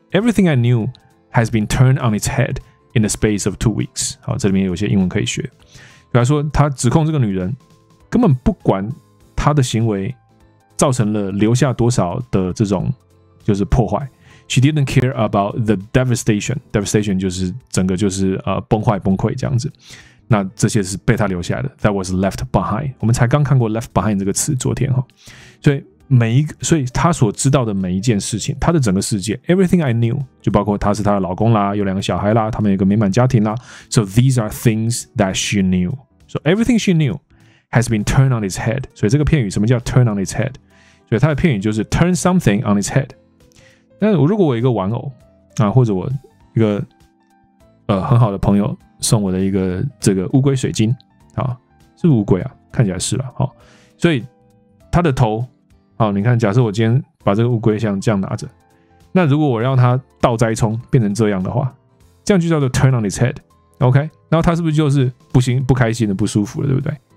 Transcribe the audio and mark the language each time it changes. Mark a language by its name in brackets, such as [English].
[English] Everything I knew has been turned on its head in the space of 2 weeks. [Chinese] 好，这里面有些英文可以学。比方说，他指控这个女人根本不管她的行为造成了留下多少的这种就是破坏。 [English] She didn't care about the devastation. Devastation [Chinese] 就是整个就是崩坏崩溃这样子。那这些是被他留下的 ， [English] that was left behind。 [Chinese] 我们才刚看过 left behind 这个词，昨天哈，所以每一个，所以他所知道的每一件事情，他的整个世界 ， [English] everything I knew， [Chinese] 就包括他是他的老公啦，有两个小孩啦，他们有一个美满家庭啦。 [English] So these are things that she knew. So everything she knew has been turned on its head. [Chinese] 所以这个片语什么叫 [English] turn on its head？ [Chinese] 所以他的片语就是 [English] turn something on its head。 [Chinese] 那如果我一个玩偶啊，或者我一个很好的朋友。送我的一个这个乌龟水晶啊，是乌龟啊，看起来是了、啊、所以他的头啊，你看，假设我今天把这个乌龟像这样拿着，那如果我让它倒栽葱变成这样的话，这样就叫做 [English] turn on its head， [Chinese] OK， 然后他是不是就是不行、不开心的、不舒服了，对不对？